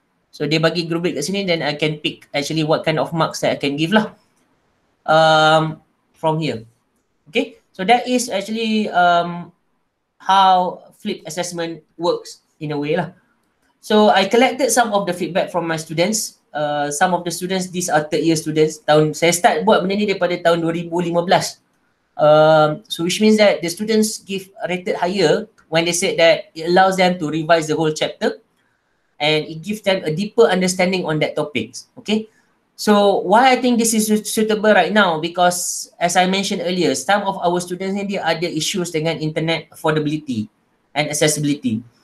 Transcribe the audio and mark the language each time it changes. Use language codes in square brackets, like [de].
[en] So [ms] dia bagi rubric kat sini, [en] then I can pick actually what kind of marks that I can give lah from here. Okay, so that is actually how flipped assessment works in a way lah. So I collected some of the feedback from my students. Some of the students, these are third year students. [ms] Saya start buat benda ni daripada tahun 2015. [en] So which means that the students give rated higher when they said that it allows them to revise the whole chapter and it gives them a deeper understanding on that topic. Okay. So why I think this is suitable right now, because as I mentioned earlier, some of our students [ms] ni dia ada issues dengan [en] internet affordability and accessibility.